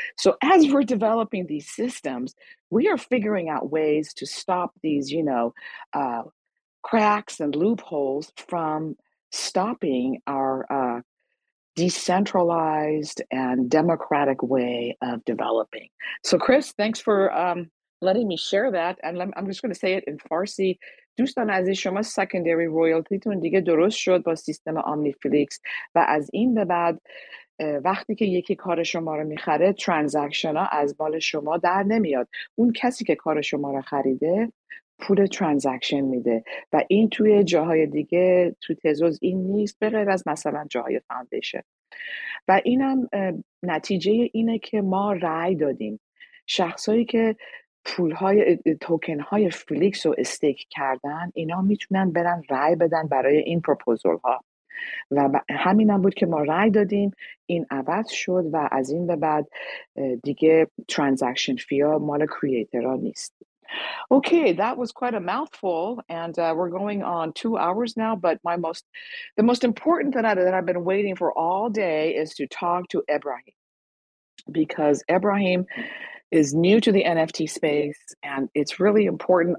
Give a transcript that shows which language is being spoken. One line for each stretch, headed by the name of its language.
English: So as we're developing these systems, we are figuring out ways to stop these, you know, cracks and loopholes from stopping our decentralized and democratic way of developing. So Chris, thanks for letting me share that. And I'm just going to say it in Farsi.
Persian: دوستان عزیز، شما سکندری رویالتیتون دیگه درست شد با سیستم آمنی فلیکس و از این به بعد وقتی که یکی کار شما رو میخره، ترانزکشن ها از مال شما در نمیاد. اون کسی که کار شما رو خریده پول ترانزکشن میده و این توی جاهای دیگه تو تزوز این نیست، به غیر از مثلا جاهای فاندیشن. و اینم نتیجه اینه که ما رأی دادیم شخصایی که پول های توکن های فلیکس رو استیک کردن، اینا میتونن برن رای بدن برای این پروپوزل ها، و همین هم بود که ما رای دادیم، این عوض شد و از این به بعد دیگه ترانزکشن فی ها مال کریئتر ها نیست.
English: Okay, that was quite a mouthful, and we're going on 2 hours now, but the most important thing that I've been waiting for all day is to talk to Ibrahim, because Ibrahim is new to the NFT space, and it's really important.